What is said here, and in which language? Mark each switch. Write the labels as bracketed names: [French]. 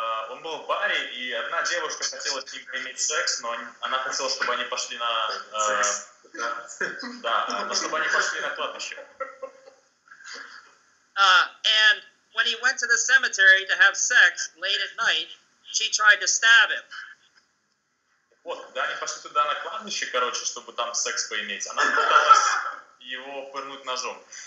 [Russian] Он был в баре, и одна девушка хотела с ним иметь секс, но она хотела, чтобы они пошли на кладбище. [English] And when he went to the cemetery to have sex late at night, she tried to stab him. [Russian] Вот, когда они пошли туда на кладбище, короче, чтобы там секс поиметь, она пыталась его пырнуть ножом.